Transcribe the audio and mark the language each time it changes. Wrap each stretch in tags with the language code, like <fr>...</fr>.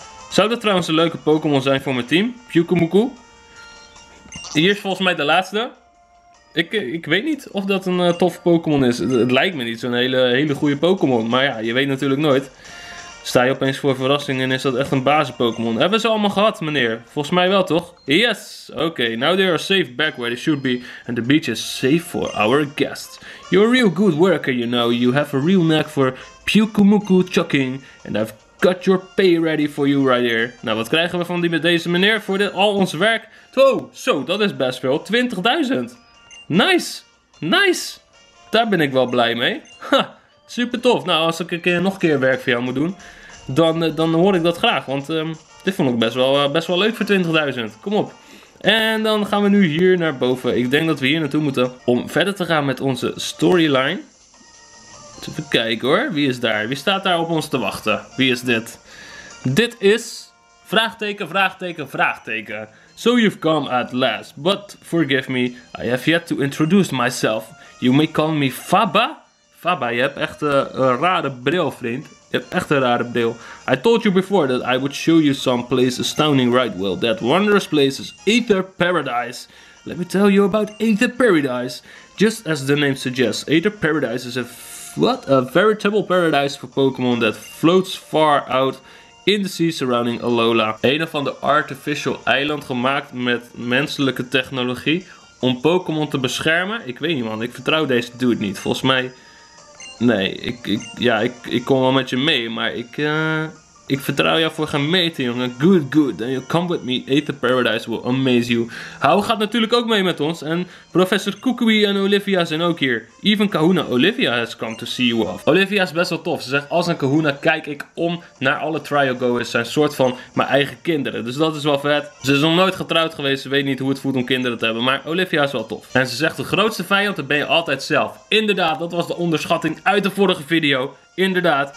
<nl>Zou dat trouwens een leuke Pokémon zijn voor mijn team? Pyukumuku. Hier is volgens mij de laatste. Ik weet niet of dat een toffe Pokémon is. Het lijkt me niet zo'n hele goede Pokémon. Maar ja, je weet natuurlijk nooit. Sta je opeens voor verrassing en is dat echt een basis Pokémon? Hebben ze allemaal gehad, meneer? Volgens mij wel, toch? Yes!</nl> <en>Oké, now they are safe back where they should be. And the beach is safe for our guests. You're a real good worker, you know. You have a real knack for Pyukumuku chucking. And I've... Got your pay ready for you right here.</en> <nl>Nou, wat krijgen we van die met deze meneer voor dit al ons werk? Wow, zo, dat is best veel. 20.000. Nice. Daar ben ik wel blij mee. Ha, super tof. Nou, als ik nog een keer werk voor jou moet doen, dan hoor ik dat graag. Want dit vond ik best wel leuk voor 20.000. Kom op. En dan gaan we nu hier naar boven. Ik denk dat we hier naartoe moeten om verder te gaan met onze storyline. Even kijken hoor, wie is daar? Wie staat daar op ons te wachten? Wie is dit? Dit is... Vraagteken.</nl> <en>So you've come at last, but forgive me, I have yet to introduce myself. You may call me Faba?</en> <nl>Faba, je hebt echt een rare bril, vriend. Je hebt echt een rare bril.</nl> <en>I told you before that I would show you some place astounding, right? Well, that wondrous place is Aether Paradise. Let me tell you about Aether Paradise. Just as the name suggests, Aether Paradise is a... What a veritable paradise for Pokémon that floats far out in the sea surrounding Alola.</en> <nl>Een of ander artificial eiland gemaakt met menselijke technologie om Pokémon te beschermen. Ik weet niet, man. Ik vertrouw deze dude niet. Volgens mij... Nee, ik kom wel met je mee, maar ik vertrouw jou voor geen meter, jongen.</nl> <en>Good. Then you come with me. Aether Paradise will amaze you.</en> <nl>Hou gaat natuurlijk ook mee met ons. En professor Kukui en Olivia zijn ook hier.</nl> <en>Even Kahuna Olivia has come to see you off.</en> <nl>Olivia is best wel tof. Ze zegt, als een Kahuna kijk ik om naar alle trialgoers. Zijn soort van mijn eigen kinderen. Dus dat is wel vet. Ze is nog nooit getrouwd geweest. Ze weet niet hoe het voelt om kinderen te hebben. Maar Olivia is wel tof. En ze zegt, de grootste vijand dat ben je altijd zelf. Inderdaad, dat was de onderschatting uit de vorige video. Inderdaad.</nl>